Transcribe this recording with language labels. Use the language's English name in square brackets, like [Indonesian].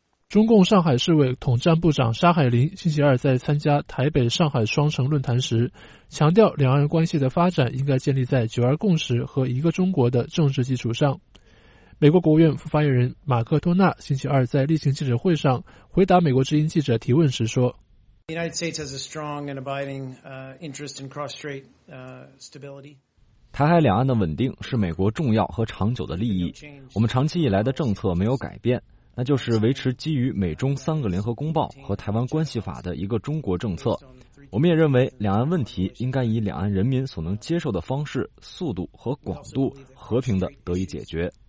[Chinese] 中共上海市委统战部长沙海林星期二在参加台北上海双城论坛时强调，两岸关系的发展应该建立在九二共识和一个中国的政治基础上。美国国务院副发言人马克托纳星期二在例行记者会上回答美国之音记者提问时说， [English] The United States has a strong and abiding interest in cross-strait stability. [Chinese] 台海两岸的稳定是美国重要和长久的利益，我们长期以来的政策没有改变，那就是维持基于美中三个联合公报和台湾关系法的一个中国政策。我们也认为两岸问题应该以两岸人民所能接受的方式、速度和广度和平地得以解决。